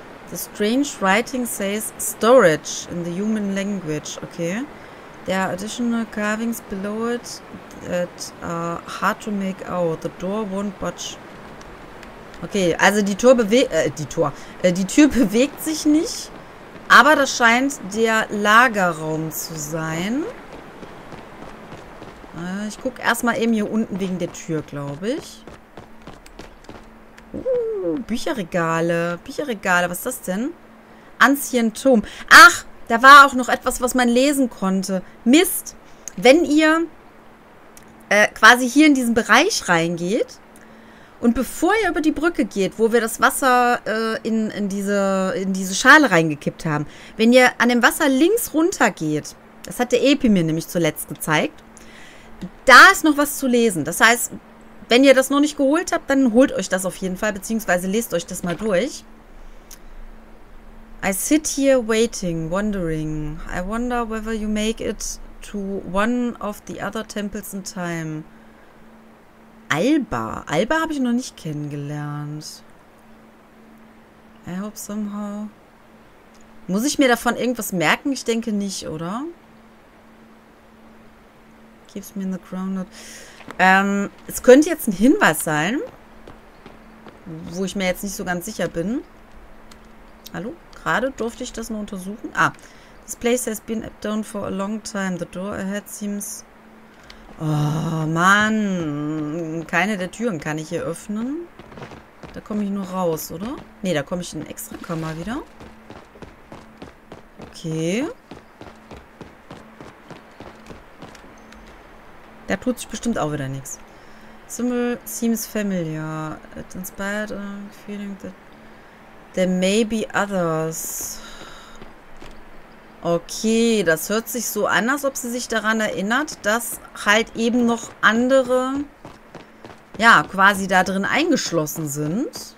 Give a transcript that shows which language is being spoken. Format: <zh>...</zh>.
<en>The strange writing says storage in the human language, okay. There are additional carvings below it that are hard to make out. The door won't budge.</en> <de>Okay, also die Tür bewegt sich nicht, aber das scheint der Lagerraum zu sein. Ich gucke erstmal eben hier unten wegen der Tür, glaube ich. Bücherregale. Bücherregale, was ist das denn? Ancientum. Ach, da war auch noch etwas, was man lesen konnte. Mist, wenn ihr quasi hier in diesen Bereich reingeht und bevor ihr über die Brücke geht, wo wir das Wasser in diese Schale reingekippt haben, wenn ihr an dem Wasser links runter geht, das hat der Epi mir nämlich zuletzt gezeigt, da ist noch was zu lesen. Das heißt, wenn ihr das noch nicht geholt habt, dann holt euch das auf jeden Fall, beziehungsweise lest euch das mal durch.</de> <en>I sit here waiting, wondering. I wonder whether you make it to one of the other temples in time.</en> <de>Alba. Alba habe ich noch nicht kennengelernt.</de> <en>I hope somehow.</en> <de>Muss ich mir davon irgendwas merken? Ich denke nicht, oder?</de> <en>Keeps me in the grounded.</en> <de>Es könnte jetzt ein Hinweis sein, wo ich mir jetzt nicht so ganz sicher bin. Hallo? Gerade durfte ich das nur untersuchen? Ah.</de> <en>This place has been up down for a long time. The door ahead seems...</en> <de>Oh, Mann. Keine der Türen kann ich hier öffnen. Da komme ich nur raus, oder? Nee, da komme ich in eine extra Kammer wieder. Okay. Da tut sich bestimmt auch wieder nichts.</de> <en>Symbol seems familiar. It inspired a feeling that there may be others.</en> <de>Okay, das hört sich so an, als ob sie sich daran erinnert, dass halt eben noch andere, ja, quasi da drin eingeschlossen sind.</de>